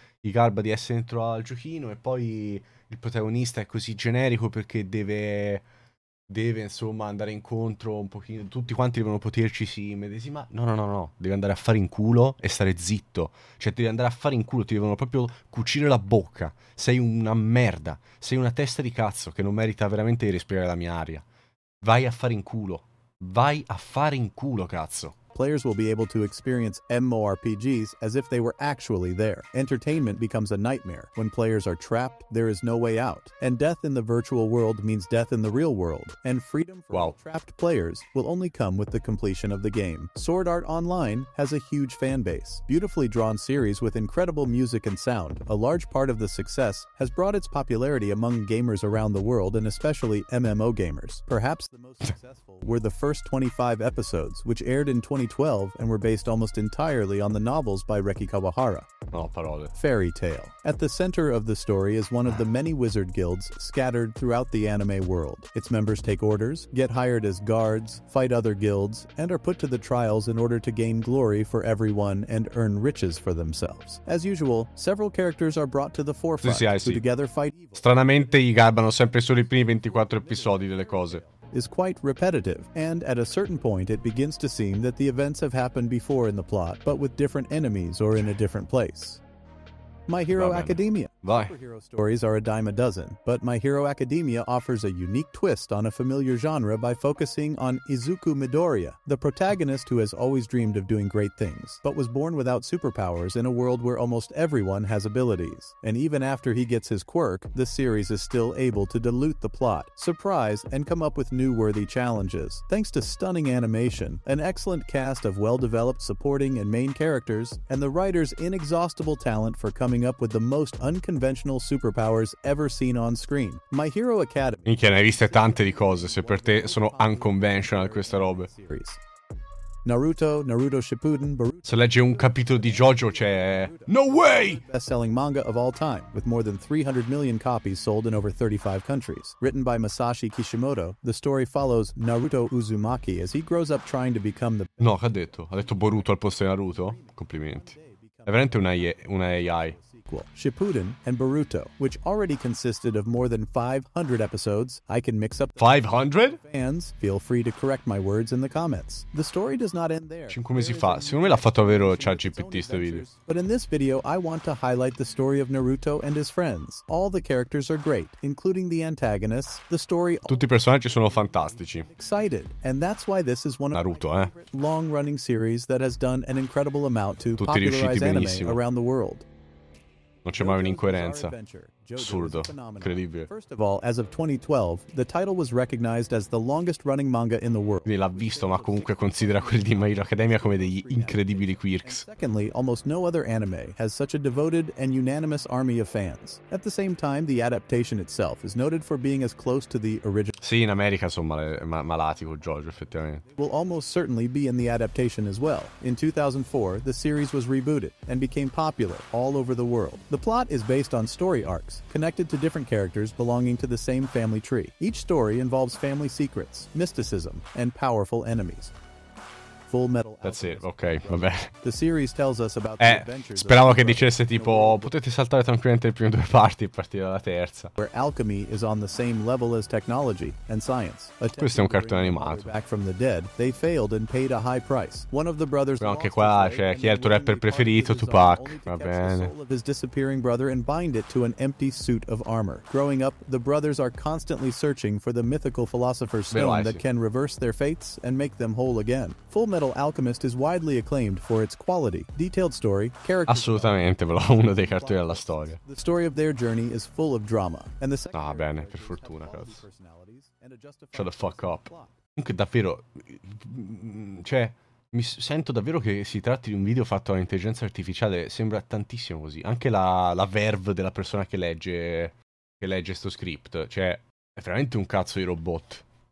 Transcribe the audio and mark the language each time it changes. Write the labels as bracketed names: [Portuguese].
[Italian] Gli garba di essere dentro al giochino e poi il protagonista è così generico perché deve insomma andare incontro un pochino, tutti quanti devono poterci sì medesima. No, devi andare a fare in culo e stare zitto, cioè devi andare a fare in culo, ti devono proprio cucire la bocca, sei una merda, sei una testa di cazzo che non merita veramente di respirare la mia aria, vai a fare in culo, vai a fare in culo cazzo. [English] Players will be able to experience MMORPGs as if they were actually there. Entertainment becomes a nightmare. When players are trapped, there is no way out. And death in the virtual world means death in the real world. And freedom for trapped players will only come with the completion of the game. Sword Art Online has a huge fan base. Beautifully drawn series with incredible music and sound, a large part of the success has brought its popularity among gamers around the world and especially MMO gamers. Perhaps the most successful were the first 25 episodes, which aired in 2012 and were based almost entirely on the novels by Reki Kawahara. [Italian] Oh, parole. [English] Fairy Tale. At the center of the story is one of the many wizard guilds scattered throughout the anime world. Its members take orders, get hired as guards, fight other guilds, and are put to the trials in order to gain glory for everyone and earn riches for themselves. As usual, several characters are brought to the forefront who together fight evil. [Italian] Stranamente gli garbano sempre solo i primi 24 episodi delle cose. [English] Is quite repetitive, and at a certain point it begins to seem that the events have happened before in the plot, but with different enemies or in a different place. My Hero Academia. Superhero stories are a dime a dozen, but My Hero Academia offers a unique twist on a familiar genre by focusing on Izuku Midoriya, the protagonist who has always dreamed of doing great things, but was born without superpowers in a world where almost everyone has abilities. And even after he gets his quirk, the series is still able to dilute the plot, surprise, and come up with new worthy challenges. Thanks to stunning animation, an excellent cast of well-developed supporting and main characters, and the writer's inexhaustible talent for coming up with the most unconventional superpowers ever seen on screen. My Hero Academy. [Italian] Minchia, ne hai viste tante di cose, se per te sono unconventional queste robe. [English] Naruto, Naruto Shippuden, Boruto. [Italian] Se leggi un capitolo di JoJo c'è [English] no way. Best-selling manga of all time with more than 300 million copies sold in over 35 countries. Written by Masashi Kishimoto, the story follows Naruto Uzumaki as he grows up trying to become the [Italian] No, che ha detto? Ha detto Boruto al posto di Naruto? Complimenti. È veramente una AI. [English] Shippuden and Boruto, which already consisted of more than 500 episodes. I can mix up 500? Fans, feel free to correct my words in the comments. The story does not end there. [Italian] 5 mesi fa, secondo me l'ha fatto vero ChatGPT sto video. [English] But in this video I want to highlight the story of Naruto and his friends. All the characters are great, including the antagonists. The story [Italian] Tutti i personaggi sono fantastici. [English] Excited. And that's why this is one of Naruto, my long-running series that has done an incredible amount to [Italian] Tutti [English] popularize anime [Italian] benissimo. [English] Around the world. [Italian] Non c'è mai un'incoerenza. Assurdo, incredibile. [English] First of all, as of 2012, the title was recognized as the longest running manga in the world. [Italian] Quindi l'ha visto, ma comunque considera quelli di My Hero Academia come degli incredibili quirks. [English] Secondly, almost no other anime has such a devoted and unanimous army of fans. At the same time, the adaptation itself is noted for being as close to the original. [Italian] Sì, in America sono malati con JoJo, effettivamente. [English] Will almost certainly be in the adaptation as well. In 2004, the series was rebooted and became popular all over the world. The plot is based on story arc connected to different characters belonging to the same family tree. Each story involves family secrets, mysticism, and powerful enemies. Full Metal That's it, [Italian] ok, vabbè. [English] The series tells us about the adventures. [Italian] Speravo che dicesse tipo potete saltare tranquillamente le prime due parti e partire dalla terza. [English] Where alchemy is on the same level as technology and science. [Italian] Questo è un cartone animato. [English] Back from the dead, they failed and paid a high price. One of the brothers. [Italian] Però anche qua c'è cioè, chi è il tuo rapper preferito, Tupac. Va bene. [English] Soul of his disappearing brother and bind it to an empty suit of armor. Growing up, the brothers are constantly searching for the mythical philosopher's stone that can reverse their fates and make them whole again. Full Metal Alchemist is widely acclaimed for its quality, detailed story, character. [Italian] Assolutamente, ve l'ho uno dei cartoni alla storia. [English] The story of their journey is full of drama. And the [Italian] ah, bene, per fortuna, cazzo. [English] Shut the fuck up. [Italian] Comunque, davvero, cioè, mi sento davvero che si tratti di un video fatto da intelligenza artificiale, sembra tantissimo così. Anche la verve della persona che legge sto script, cioè, è veramente un cazzo di robot.